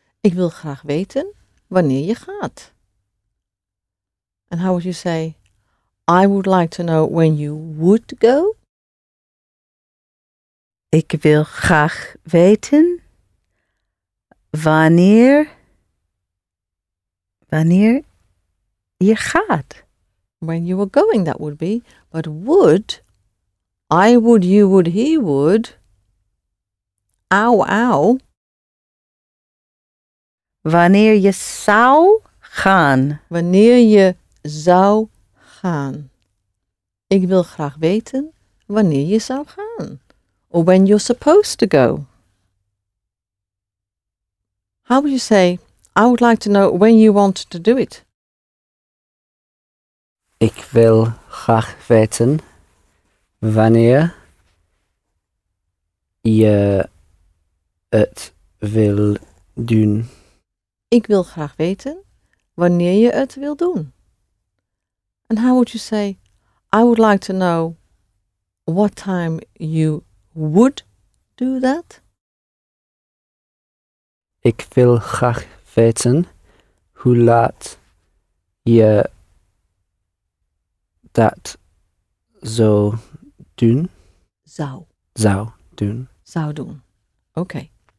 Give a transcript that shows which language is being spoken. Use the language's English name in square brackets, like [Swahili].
[Dutch] Ik wil graag weten wanneer je gaat. [English] And how would you say, I would like to know when you would go? [Dutch] Ik wil graag weten wanneer je gaat. [English] When you were going, that would be. But would, I would, you would, he would, ow, ow. [Dutch] Wanneer je zou gaan. Wanneer je zou gaan. Ik wil graag weten wanneer je zou gaan. [English] Or when you're supposed to go. How would you say, I would like to know when you want to do it? [Dutch] Ik wil graag weten wanneer je het wil doen. Ik wil graag weten wanneer je het wil doen. [English] And how would you say, I would like to know what time you would do that? [Dutch] Ik wil graag weten hoe laat je dat zou doen. Zou doen. Zou doen. Oké.